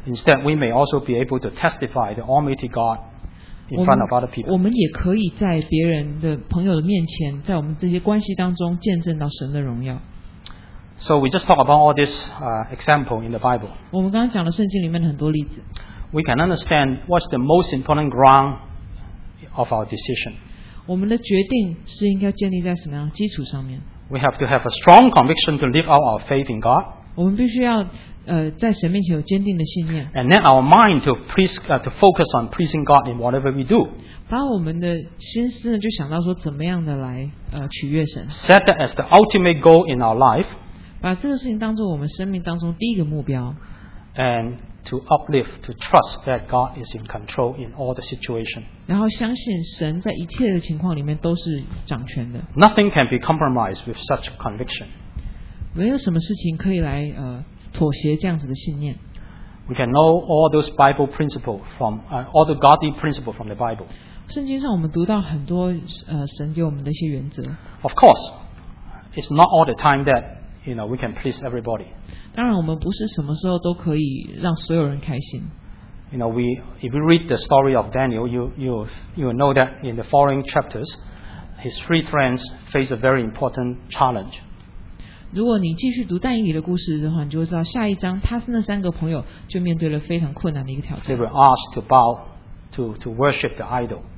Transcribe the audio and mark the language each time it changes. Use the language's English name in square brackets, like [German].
[English] Instead, we may also be able to testify the Almighty God in front of other people. [Chinese] 我们也可以在别人的朋友的面前，在我们这些关系当中见证到神的荣耀。 [English] So we just talk about all this example in the Bible. [Chinese] 我们刚刚讲了圣经里面的很多例子。 [English] We can understand what's the most important ground of our decision. [Chinese] 我们的决定是应该建立在什么样基础上面 [English] ？We have to have a strong conviction to live out our faith in God. [Chinese] 我们必须要在神面前有坚定的信念。 [English] And then our mind to focus on pleasing God in whatever we do. [Chinese] 把我们的心思呢就想到说怎么样的来取悦神。 [English] Set that as the ultimate goal in our life. [Chinese] 把这个事情当作我们生命当中第一个目标 [English] ，and to uplift, to trust that God is in control in all the situation. [Chinese] 然后相信神在一切的情况里面都是掌权的。 [English] Nothing can be compromised with such conviction. [Chinese] 没有什么事情可以来妥协这样子的信念。 [English] We can know all those Bible principles from all the godly principles from the Bible. [Chinese] 圣经上我们读到很多神给我们的一些原则。 [English] Of course. it's not all the time that you know we can please everybody. [Chinese] 当然，我们不是什么时候都可以让所有人开心。 [English] You know, if you read the story of Daniel, you will know that in the following chapters, his three friends face a very important challenge. [Chinese] 如果你继续读但以理的故事的话，你就会知道下一章他那三个朋友就面对了非常困难的一个挑战。 [English] They were asked to bow to worship the idol.